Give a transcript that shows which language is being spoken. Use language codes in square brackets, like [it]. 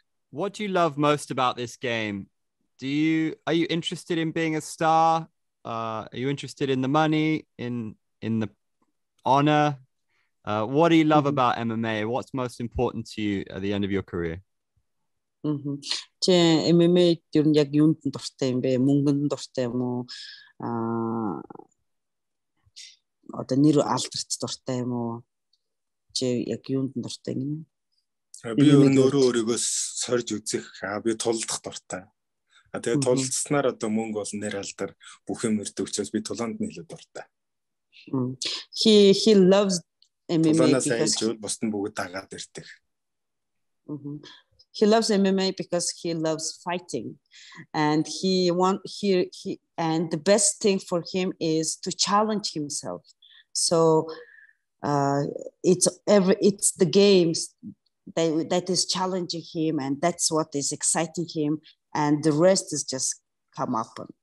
[en] What do you love most about this game? Are you interested in being a star? Are you interested in the money, in the honor? What do you love about MMA? What's most important to you at the end of your career? Mm-hmm. [mn] MMA ер нь яг юунд дуртай юм бэ? Мөнгөнд дуртай юм уу? Одоо нэр алдарт дуртай юм уу? Чи яг юунд дуртай гинэ? Би өөрөө өөрийгөө сорьж үзэх, би тулдах дуртай. Тэгээ тулдснаар одоо мөнгө бол нэр алдар бүх юм өрдөг учраас би тулаанд нь илүү дуртай. [en] He loves MMA because [mn] бусдын бүгд дагаад ирдэг. [en] He loves MMA because he loves fighting, and the best thing for him is to challenge himself. So it's the games that is challenging him, and that's what is exciting him, and the rest is just come up.